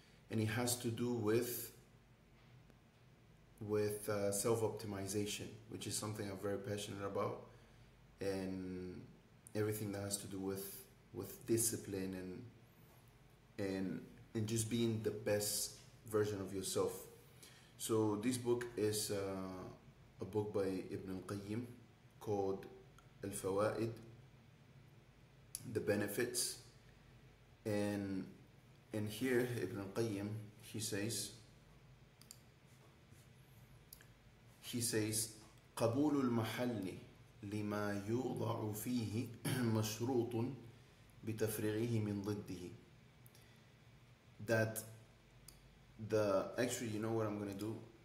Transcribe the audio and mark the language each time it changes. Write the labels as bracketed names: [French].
[English] And it has to do with self-optimization, which is something I'm very passionate about, and everything that has to do with discipline and just being the best version of yourself. So this book is a book by Ibn Qayyim called Al-Fawa'id, The Benefits. And here, Ibn Qayyim, he says, [Arabic] قبول المحل لما يوضع فيه مشروط بتفريغه من ضده. [English] That actually, you know what I'm gonna do?